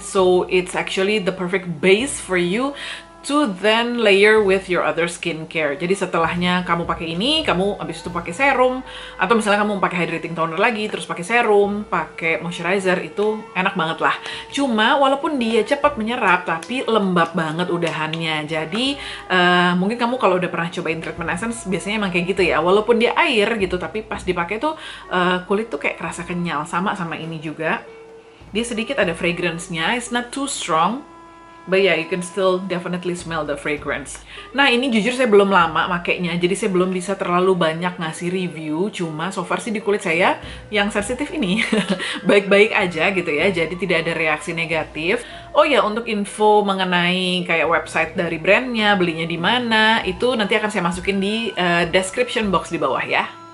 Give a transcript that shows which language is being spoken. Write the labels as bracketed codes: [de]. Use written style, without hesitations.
[en] So it's actually the perfect base for you to then layer with your other skincare. [id] Jadi setelahnya kamu pakai ini, kamu abis itu pakai serum, atau misalnya kamu pakai hydrating toner lagi, terus pakai serum, pakai moisturizer, itu enak banget lah. Cuma walaupun dia cepat menyerap, tapi lembab banget udahannya. Jadi mungkin kamu kalau udah pernah cobain treatment essence, biasanya emang kayak gitu ya. Walaupun dia air gitu, tapi pas dipakai tuh kulit tuh kayak kerasa kenyal. Sama ini juga. Dia sedikit ada fragrance-nya, [en] it's not too strong. But yeah, you can still definitely smell the fragrance. [id] Nah, ini jujur saya belum lama makainya, jadi saya belum bisa terlalu banyak ngasih review. Cuma so far sih di kulit saya yang sensitif ini baik-baik aja gitu ya, jadi tidak ada reaksi negatif. Oh ya, untuk info mengenai kayak website dari brandnya, belinya di mana, itu nanti akan saya masukin di description box di bawah ya.